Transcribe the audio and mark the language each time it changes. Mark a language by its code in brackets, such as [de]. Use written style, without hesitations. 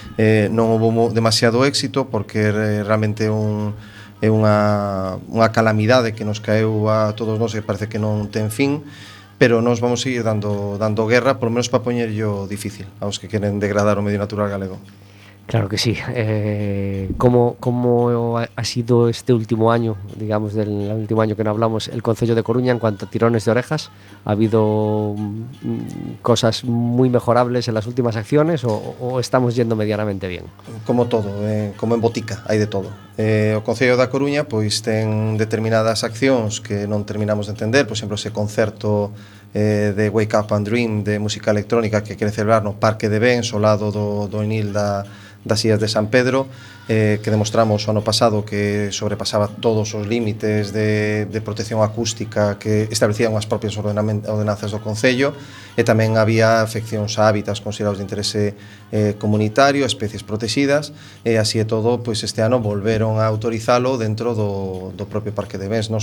[gl] Non houve demasiado éxito porque realmente é unha calamidade que nos caeu a todos nós e parece que non ten fin, pero nos vamos seguir dando guerra, [es] por lo menos [gl] para poñer yo difícil aos que queren degradar o medio natural galego. [es] Claro que sí. ¿Cómo ha sido este último año, digamos, del último año que no hablamos, el Concello de Coruña en cuanto a tirones de orejas? ¿Ha habido cosas muy mejorables en las últimas acciones o estamos yendo medianamente bien? Como todo, como en botica, hay de todo. [gl] O Concello da Coruña, pois, ten determinadas accións que non terminamos de entender. Por exemplo, ese concerto de Wake Up and Dream de música electrónica que quere celebrar no Parque de Bens, ao lado do Enil das Illas de San Pedro, que demostramos o ano pasado que sobrepasaba todos os límites de protección acústica que establecían as propias ordenanzas do Concello, e tamén había afeccións a hábitats considerados de interese comunitario, especies protexidas, e así e todo, pois este ano volveron a autorizalo dentro do propio Parque de Bens.